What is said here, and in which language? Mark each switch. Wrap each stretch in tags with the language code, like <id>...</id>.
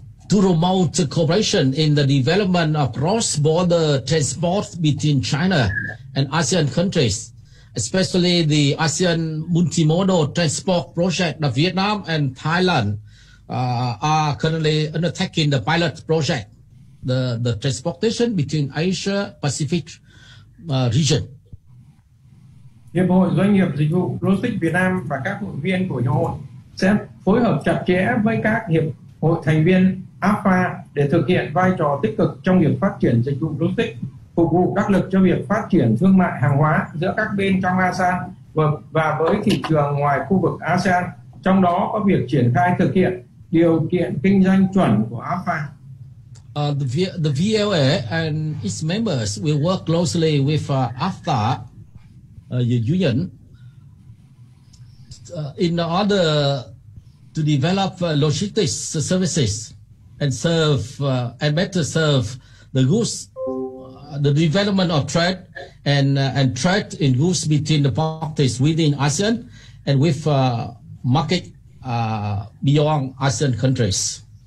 <en>To promote cooperation in the development of cross-border transport between China and ASEAN countries, especially the ASEAN Multimodal Transport Project of Vietnam and Thailand are currently undertaking the pilot project, the transportation between Asia Pacific region.</en> <vi>Hiệp hội Doanh nghiệp Dịch vụ Logistics Việt Nam và các hội viên của hiệp hội sẽ phối hợp chặt chẽ với các hiệp hội thành viên APA để thực hiện vai trò tích cực trong việc phát triển dịch vụ logistics, phục vụ đắc lực cho việc phát triển thương mại hàng hóa giữa các bên trong ASEAN và với thị trường ngoài khu vực ASEAN, trong đó có việc triển khai thực hiện điều kiện kinh doanh chuẩn của APA.</vi> <en>The VLA and its members will work closely with APA, the union, in order to develop logistics services and serve and better serve the goods, the development of trade and trade in goods between the parties within ASEAN and with market beyond ASEAN countries.</en>